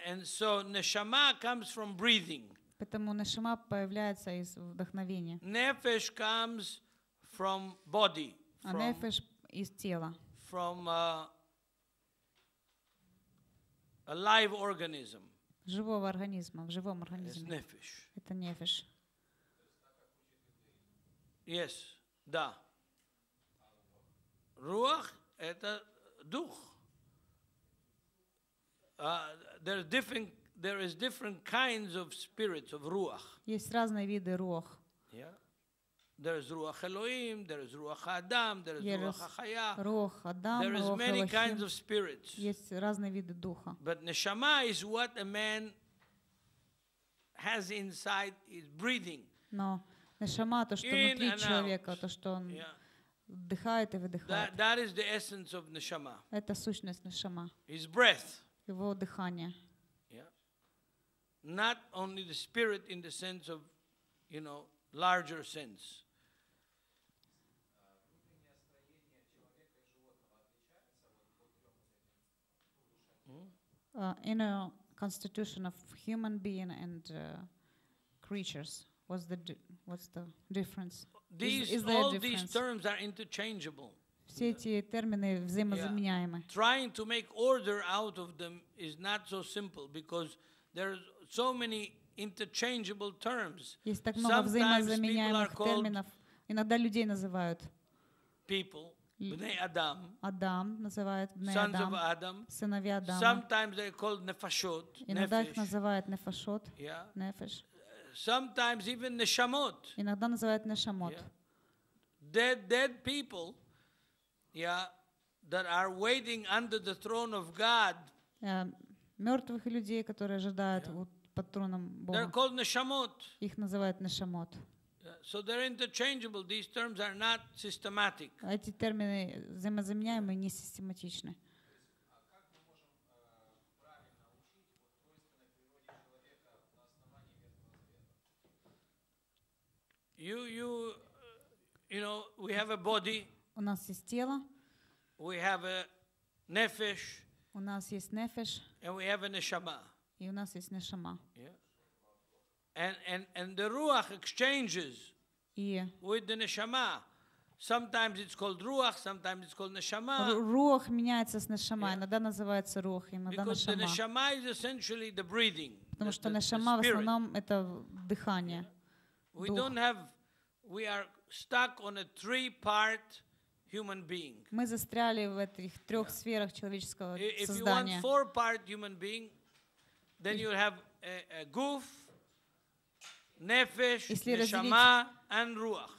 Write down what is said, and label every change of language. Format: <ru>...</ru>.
<en>And so neshama comes from breathing.</en> <ru>Поэтому нешама появляется из вдохновения.</ru> <en>Nefesh comes from body.</en> <ru>А нефеш из тела.</ru> <en>From a live organism.</en> <ru>Живого организма, в живом организме.</ru> <en>It's nefesh.</en> <ru>Это нефеш. Yes, да. Руах – это дух.</ru> <en>There is different kinds of spirits of ruach.</en> <ru>Есть разные виды рух. Yeah.</ru> <en>There is ruach Elohim, there is ruach Adam, there is ruach Chaya.</en> <ru>Рух Адам, рух Elohim.</ru> <en>There is many kinds of spirits.</en> <ru>Есть разные виды духа.</ru> <en>But neshama is what a man has inside his breathing.</en> <ru>Но нешама то, что внутри человека, то, что он вдыхает и выдыхает.</ru> <en>That is the essence of neshama.</en> <ru>Это сущность нешама.</ru> <en>His breath.</en> <ru>Его дыхание.</ru> <en>Not only the spirit in the sense of, you know, larger sense. Inner constitution of human being and creatures. What's the difference? These, is there all a difference? These terms are interchangeable.</en> <uk>Все ці терміни взаємозаміняємо.</uk> <en>Yeah. Trying to make order out of them is not so simple because there are so many interchangeable terms.</en> <uk>Є так багато взаємозаміняємих термінів. Іноді людей називають</uk> <en>people, Бней Адам.</en> <uk>Адам називають Бней Адам.</uk> <en>Sons of Adam.</en> <uk>Синові Адама.</uk> <en>Sometimes they're called Нефашот.</en> <uk>Іноді їх називають Нефашот.</uk> <en>Yeah.</en> <uk>Нефеш.</uk> <en>Sometimes even Нешамот.</en> <uk>Іноді називають Нешамот.</uk> <en>Yeah. Dead people. Yeah, that are waiting under the throne of God.</en> <uk>Мертвих людей, які чекають під троном Бога.</uk> <en>They're called Нешамот.</en> <uk>Їх називають Нешамот.</uk> <en>So they're interchangeable. These terms are not systematic.</en> <uk>А ці терміни взаємозаміняємо, не систематичні.</uk> <en>You know, we have a body.</en> <uk>У нас є тіло.</uk> <en>We have a nefesh.</en> <uk>У нас є нефеш.</uk> <en>And we have a neshama.</en> <uk>І у нас є нешама.</uk> <en>And the ruach exchanges with the neshama. Sometimes it's called ruach, sometimes it's called neshama.</en> <uk>Ruach міняється з нешама, іноді називається рух, іноді нешама.</uk> <en>Because the neshama is essentially the breathing.</en> <uk>Тому що нешама в основному це дихання.</uk> <en>We don't have, we are stuck on a three-part human being.</en> <uk>Ми застряли в цих трьох сферах</uk> <ru>человеческого создания.</ru> <en>If you want four-part human being, then you have a guf, nefesh, neshama, and ruach.</en>